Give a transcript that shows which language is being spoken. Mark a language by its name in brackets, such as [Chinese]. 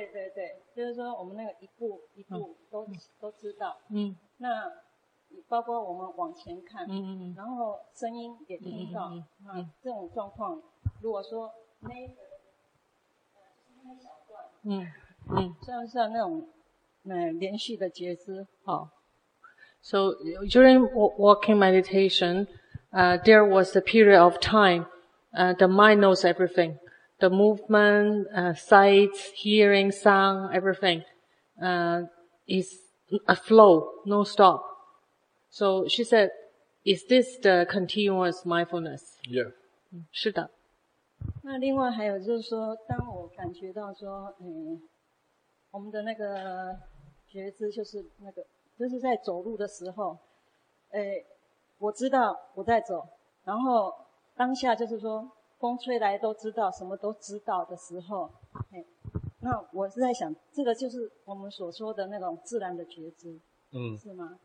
[Chinese] 对对对，就是说我们那个一步一步都知道，那包括我们往前看，然后声音也听到，那这种状况，如果说那一个小段，算不算那种连续的觉知？好。 [English] So during walking meditation, there was a period of time, the mind knows everything, the movement, sights, hearing, sound, everything, is a flow, no stop. So she said, is this the continuous mindfulness? Yeah. [Chinese] 是的。那另外还有就是说，当我感觉到说，我们的那个觉知就是那个，就是在走路的时候，我知道我在走，然后当下就是说风吹来都知道，什么都知道的时候，那我是在想，这个就是我们所说的那种自然的觉知，是吗？